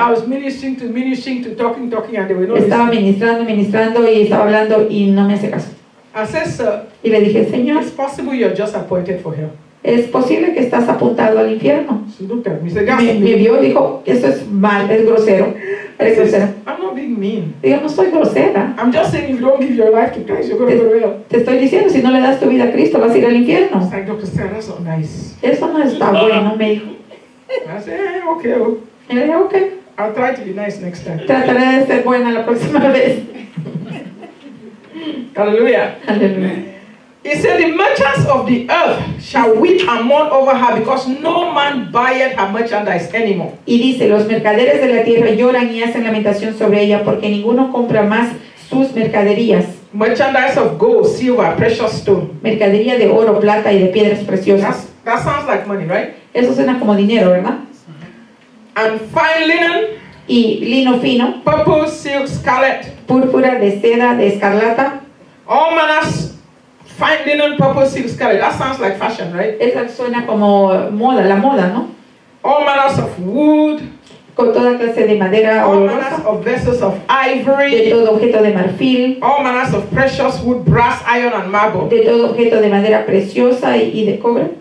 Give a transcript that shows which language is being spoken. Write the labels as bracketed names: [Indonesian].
[English] I was ministering to talking, and they were not. [Spanish] Estaba ministrando y estaba hablando y no me hace caso. [English] I said, sir. [Spanish] Y le dije, señor. [English] It's possible you're just appointed for hell. [Spanish] Es posible que estás apuntado al infierno. [English] So look at me. He said, [Spanish] me vio y dijo, eso es mal, es grosero. Es grosero. [English] I'm not being mean. [Spanish] Digo, no soy grosera. [English] I'm just saying if you don't give your life to Christ, you're going to go to hell. [Spanish] Te estoy diciendo, si no le das tu vida a Cristo, vas a ir al infierno. [English] He said, Dr. Stella, that's not nice. [Spanish] Eso no está bueno, me dijo. [English] I said, okay. I'll try to be nice next time. [Spanish] Trataré de ser buena la próxima vez. [English] Hallelujah. He said, the merchants of the earth shall weep and mourn over her because no man buyeth her merchandise anymore. [Spanish] Y dice, los mercaderes de la tierra lloran y hacen lamentación sobre ella porque ninguno compra más sus mercaderías. [English] Merchandise of gold, silver, precious stone. [Spanish] Mercadería de oro, plata y de piedras preciosas. [English] That sounds like money, right? [Spanish] Eso suena como dinero, ¿verdad? [English] And fine linen. [Spanish] Y lino fino. [English] Purple, silk, scarlet. [Spanish] Púrpura de seda, de escarlata. [English] All manners. Fine linen, purple, silk, scarlet. That sounds like fashion, right? [Spanish] Eso suena como moda, la moda, ¿no? [English] All manners of wood. [Spanish] con toda clase de madera olorosa, [English] of vessels of ivory, [Spanish] de todo objeto de marfil, [English] all manners of precious wood, brass, iron and marble, [Spanish] de todo objeto de madera preciosa y de cobre.